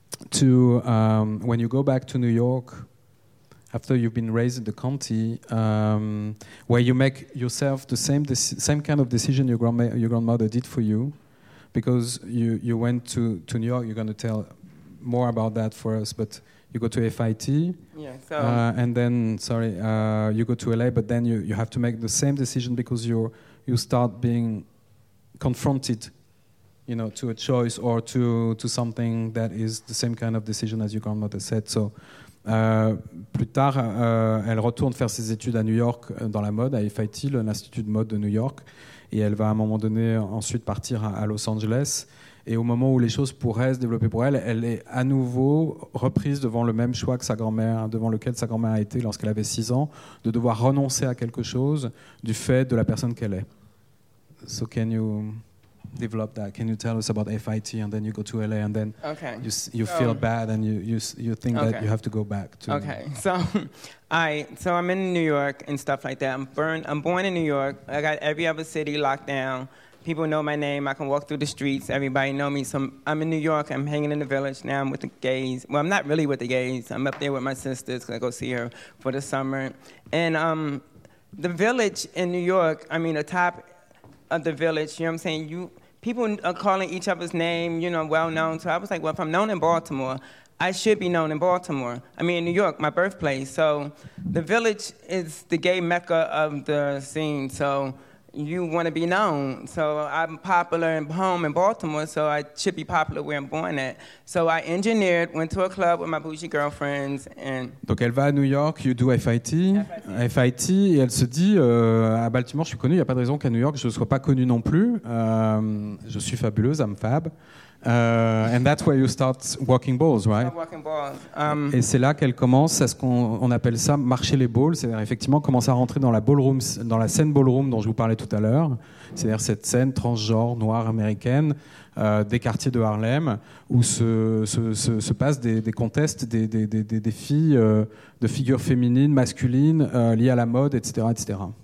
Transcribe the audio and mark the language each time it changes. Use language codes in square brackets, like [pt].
[en] to when you go back to New York after you've been raised in the county, where you make yourself the same kind of decision your grandmother did for you, because you went to New York. You're going to tell more about that for us, but you go to FIT, yeah, so. And then you go to LA, but then you have to make the same decision because you start being confronted, you know, to a choice or to something that is the same kind of decision as your grandmother said. [fr] So, plus tard, elle retourne faire ses études à New York dans la mode, à FIT, l'Institut de mode de New York, et elle va à un moment donné ensuite partir à Los Angeles. Et au moment où les choses pourraient se développer pour elle, elle est à nouveau reprise devant le même choix que sa grand-mère, devant lequel sa grand-mère a été lorsqu'elle avait 6 ans, de devoir renoncer à quelque chose du fait de la personne qu'elle est. [en] So can you develop that? Can you tell us about FIT and then you go to LA and then you feel bad and you think that you have to go back to... Okay, so I'm in New York and stuff like that. I'm born in New York. I got every other city locked down. People know my name. I can walk through the streets. Everybody know me. So I'm in New York. I'm hanging in the Village. Now I'm with the gays. Well, I'm not really with the gays. I'm up there with my sisters because I go see her for the summer. And the Village in New York, I mean, the top of the Village, you know what I'm saying? You people are calling each other's name, you know, well-known. So I was like, well, if I'm known in Baltimore, I should be known in Baltimore. I mean, in New York, my birthplace. So the Village is the gay mecca of the scene. So you want to be known. So I'm popular and home in Baltimore, so I should be popular where I'm born at. So I engineered, went to a club with my bougie girlfriends, and... [fr] Donc elle va à New York, [en] you do FIT. [fr] FIT, et elle se dit, à Baltimore, je suis connue, il n'y a pas de raison qu'à New York, je ne sois pas connue non plus. Je suis fabuleuse, [en] I'm fab. And that's where you start walking balls, right? Walking balls. [fr] Et c'est là qu'elle commence à ce qu'on appelle ça marcher les balls, c'est-à-dire effectivement commencer à rentrer dans la ballroom, dans la scène ballroom dont je vous parlais tout à l'heure, c'est-à-dire cette scène transgenre noire américaine des quartiers de Harlem où se passent des contests, des filles de figures féminines, masculines liées à la mode, etc., etc.